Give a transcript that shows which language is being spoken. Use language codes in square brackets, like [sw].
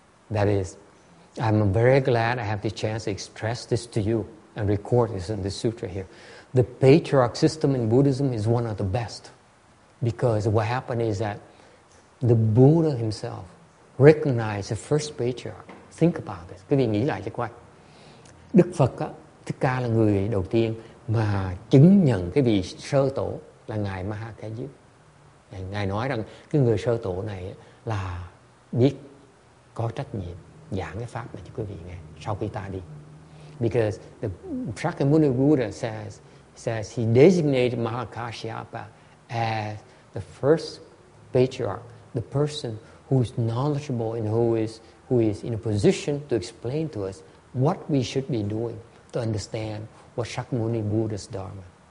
[en] That is, I'm very glad I have the chance to express this to you and record this in the sutra here. The patriarch system in Buddhism is one of the best, because what happened is that the Buddha himself recognized the first patriarch. Think about this. [vi] Quý vị nghĩ lại cho coi. Đức Phật á, Thích Ca là người đầu tiên mà chứng nhận cái vị sơ tổ là Ngài Maha Kajip. Ngài nói rằng cái người sơ tổ này là biết có trách nhiệm giảng cái pháp này cho quý vị nghe sau khi ta đi. [en] Because the Shakyamuni Buddha says he designated Maha Kashyapa as the first patriarch, the person who is knowledgeable and who is in a position to explain to us what we should be doing to understand what Shakyamuni Buddha's Dharma.